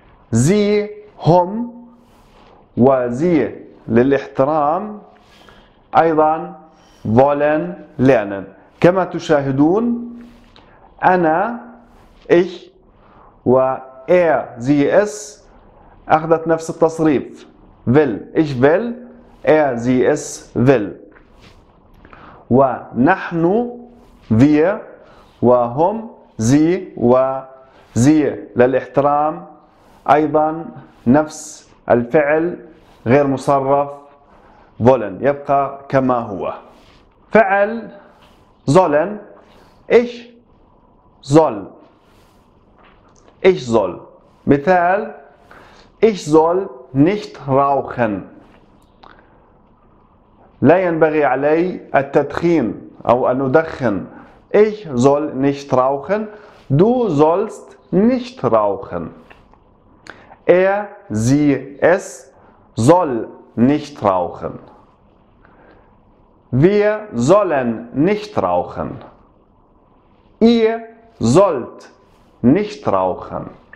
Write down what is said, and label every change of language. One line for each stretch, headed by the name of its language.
German: Sie, hum, wa sie,
Arabic: للإحترام, أيضا
German: wollen lernen.
Arabic: كما تشاهدون أنا,
German: ich, wa er, sie, es,
Arabic: أخذت نفس التصريف.
German: Will, ich will. Er, sie, es will.
Arabic: ونحن، wir، وهم،
German: sie، وsie
Arabic: للإحترام، أيضا نفس الفعل غير مصرف wollen، يبقى كما هو. فعل
German: sollen، ich soll، ich soll.
Arabic: مثال:
German: ich soll nicht rauchen،
Arabic: لا ينبغي علي التدخين أو أن أدخن.
German: Ich soll nicht rauchen. Du sollst nicht rauchen. Er, sie, es soll nicht rauchen. Wir sollen nicht rauchen. Ihr sollt nicht rauchen.